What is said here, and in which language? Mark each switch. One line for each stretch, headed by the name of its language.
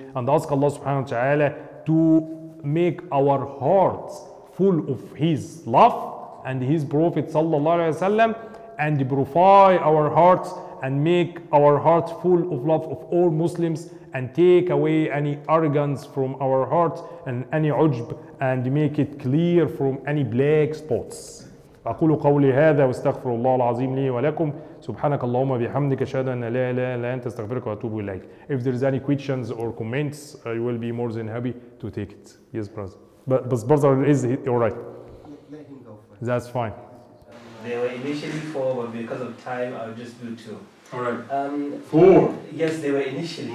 English: And ask Allah subhanahu wa ta'ala to make our hearts full of His love and His Prophet sallallahu alaihi wasallam, and purify our hearts and make our hearts full of love of all Muslims, and take away any arrogance from our heart and any ujb, and make it clear from any black spots.
Arabic: أقول قولي هذا واستغفر الله العظيم لي ولكم. سبحانك اللهم بحمدك أشهد أن لا إله إلا أنت استغفرك وأتوب إليك.
English: If there is any questions or comments, I will be more than happy to take it. Yes, brother. But brother is all right. Let him go first. That's fine. There were initially four, but because of time, I will just do two. Alright. Four? Yes, they were initially.